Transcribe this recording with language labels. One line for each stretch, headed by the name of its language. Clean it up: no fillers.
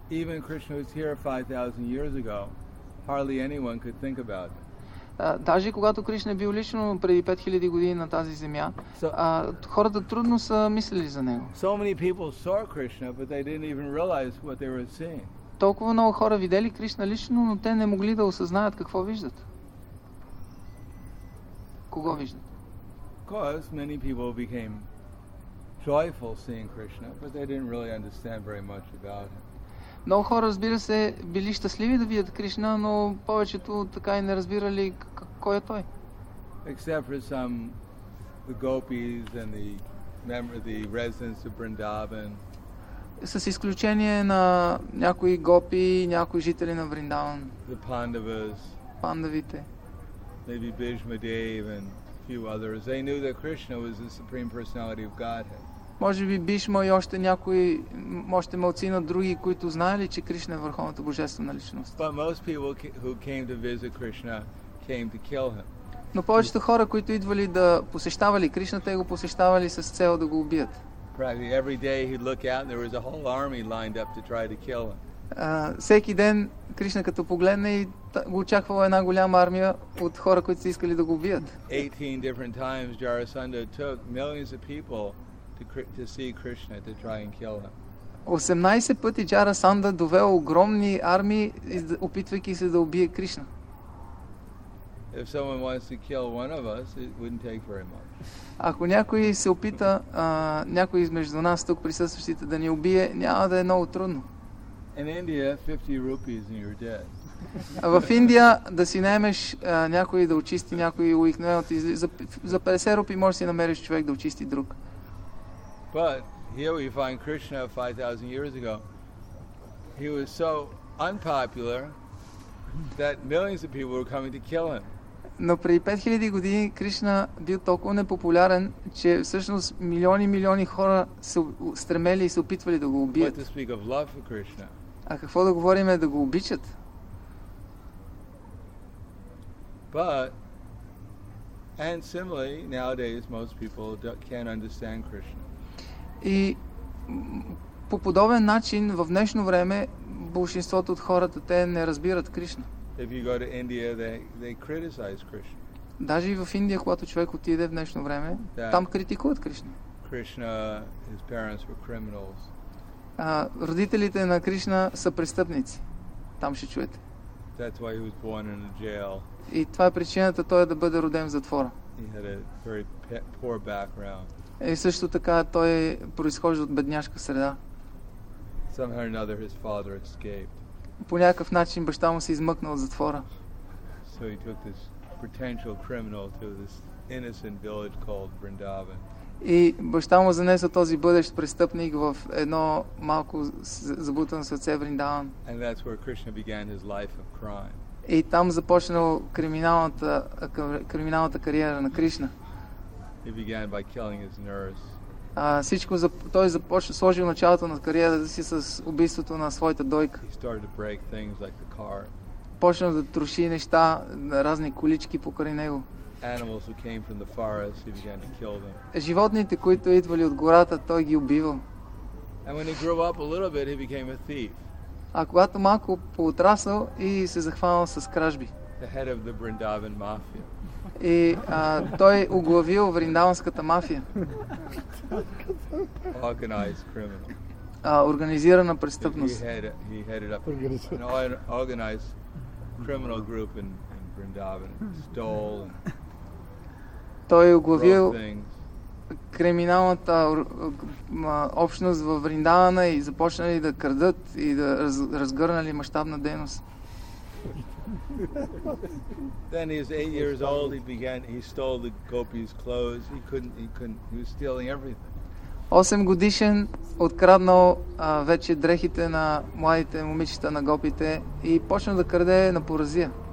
English: Even Krishna was here 5000 years ago, hardly anyone could think about it.
Bulgarian: Даже когато Кришна е бил лично преди 5000 години на тази земя, хората трудно са мислили за него.
English: So many people saw Krishna, but they didn't even realize what they were seeing.
Bulgarian: Толкова много хора видели Кришна лично, но те не могли да осъзнаят какво виждат. Кого виждат?
English: Because many people became joyful seeing Krishna, but they didn't really understand very much about him.
Bulgarian: Много хора, разбира се, били щастливи да видят Кришна, но повечето така и не разбирали кой е той.
English: Except for some the gopis and the residents of Vrindavan.
Bulgarian: С изключение на някои гопи, някои жители на Вриндаван.
English: The Pandavas.
Bulgarian: Пандавите.
English: Maybe Bhishma Dev and a few others. They knew that Krishna was the supreme personality of Godhead.
Bulgarian: Може би Бишма и още някои, още малцина други, които знаели, че Кришна е върховната божествена личност.
English: But most people who came to visit Krishna came to kill him.
Bulgarian: Но повечето хора, които идвали да посещавали Кришна, те го посещавали с цел да го убият.
English: Practically every day he'd look out and there was a whole army lined up to try to kill him.
Bulgarian: Всеки ден Кришна като погледне и го очаквала една голяма армия от хора, които са искали да го убият.
English: 18 different times Jarasandha took millions of people to see Krishna to try and kill him.
Bulgarian: 18 пъти Jarasandha довел огромни армии, опитвайки се да убие Кришна.
English: If someone wants to kill one of us, it wouldn't take very much.
Bulgarian: Ако някой се опита, някой измежду нас тук присъстващите да ни убие, няма да е много трудно.
English: In India, 50 rupees and you're dead.
Bulgarian: В Индия да си наймеш някой да очисти някой уикнел, за 50 рупи можеш да си намериш човек да очисти друг.
English: But here we find Krishna 5000 years ago. He was so unpopular that millions of people were coming to kill him.
Bulgarian: Но преди 5000 години Кришна бил толкова непопулярен, че всъщност милиони и милиони хора се стремели и се опитвали да го убият.
English: What to speak of love for Krishna?
Bulgarian: А какво да говорим е да го обичат.
English: But and similarly, nowadays most people can't understand Krishna.
Bulgarian: И по подобен начин в днешно време болшинството от хората те не разбират Кришна.
English: If you go to India, they criticize Krishna.
Bulgarian: Даже и в Индия, когато човек отиде в днешно време, там критикуват Кришна.
English: Krishna, his parents were criminals.
Bulgarian: Родителите на Кришна са престъпници. Там ще чуете.
English: That's why he was born in a jail.
Bulgarian: И това е причината той да бъде роден в затвора.
English: He had a very poor background.
Bulgarian: И също така той произхожда от бедняшка среда.
English: Somehow or another his father escaped.
Bulgarian: По някакъв начин баща му се измъкнал от затвора.
English: So he took this potential criminal to this innocent village called Vrindavan.
Bulgarian: И баща му занесе този бъдещ престъпник в едно малко забутано сърце Вриндаван.
English: And that's where Krishna began his life of crime.
Bulgarian: И там започнал криминалната кариера на Кришна.
English: He began by killing his nurse.
Bulgarian: Всичко той започна, сложил началото на кариерата си с убийството на своята дойка.
English: He started to break things like the car.
Bulgarian: Почнал да троши неща, разни колички покрай него.
English: Animals who came from the forest, he began to kill them.
Bulgarian: Животните, които идвали от гората, той ги убивал.
English: And when he grew up a little bit, he became a thief.
Bulgarian: А когато малко поотрасъл и се захванал с кражби.
English: The head of the Vrindavan mafia.
Bulgarian: И той оглавил Вриндаванската мафия.
English: Organized criminal.
Bulgarian: Организирана престъпност.
English: He headed up an organized criminal group in Vrindavan. Stole and
Bulgarian: той оглавил криминалната общност във Вриндавана и започнали да крадат и да разгърнали мащабна дейност.
English: Then he was 8 years old, he stole the gopis' clothes. He was stealing everything.
Bulgarian: 8 годишен откраднал вече дрехите на младите момичета на гопите и почнал да краде на поразия.